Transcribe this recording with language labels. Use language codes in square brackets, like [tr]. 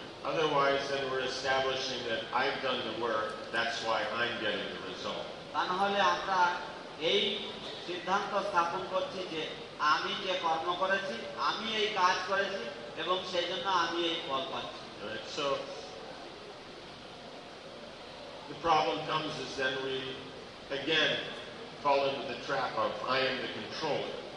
[en] Otherwise then we're establishing that I've done the work, that's why I'm getting the result. [bn] তা না হলে আমরা এই সিদ্ধান্ত স্থাপন করছি যে আমি যে কর্ম করেছি আমি এই কাজ করেছি এবং সেই জন্য আমি এই ফল পাচ্ছি। [en] So the problem comes is then we again fall into the trap of I am the controller.